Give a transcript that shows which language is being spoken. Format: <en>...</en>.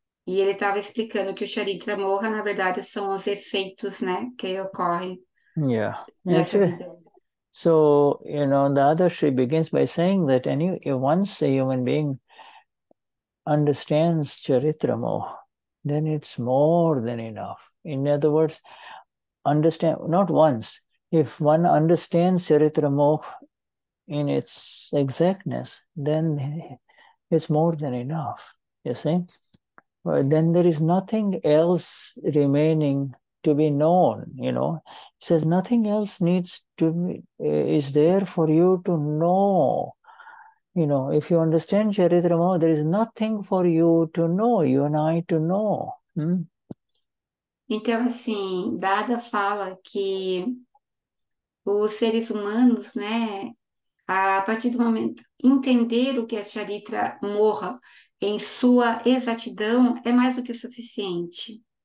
<pt>E ele estava explicando que o Charitra Moha, na verdade, são os efeitos, né, que ocorrem.</pt> <en>Yeah.</en> <pt>Nessa vida.</pt> <en>So, you know, the other she begins by saying that once a human being understands Charitra Moha, then it's more than enough. In other words, understand, not once. If one understands Charitra Moha in its exactness, then it's more than enough, you see? But then there is nothing else remaining to be known, you know? It says nothing else needs to be, is there for you to know. You know, if you understand Charitra Moha, there is nothing for you to know, you and I to know.</en> <pt>Então, assim, Dada fala que os seres humanos, né, a partir do momento entender o que é Charitra Moha em sua exatidão é mais do que o suficiente.</pt>